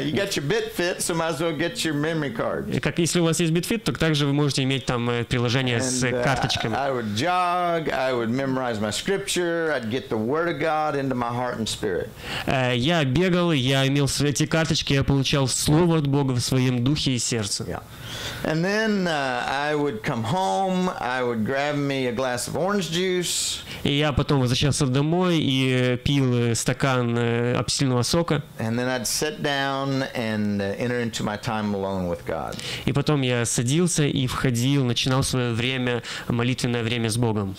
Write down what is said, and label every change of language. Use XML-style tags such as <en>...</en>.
<en>You got your BitFit, so might as well get your memory card.</en> <ru>Как если у вас есть BitFit, то также вы можете иметь там приложение с карточками.</ru> <en>I would jog. I would memorize my scripture. I'd get the word of God into my heart and spirit.</en> <ru>Я бегал, я имел эти карточки, я получал слово от Бога в своем духе и сердце.</ru> <en>Yeah. And then I would come home. I would grab me a glass of orange juice.</en> <ru>И я потом возвращался домой и пил стакан апельсинового сока.</ru> <en>And then I'd sit down and enter into my time alone with God.</en> <ru>И потом я садился и входил, начинал свое время молитвенное время с Богом.</ru>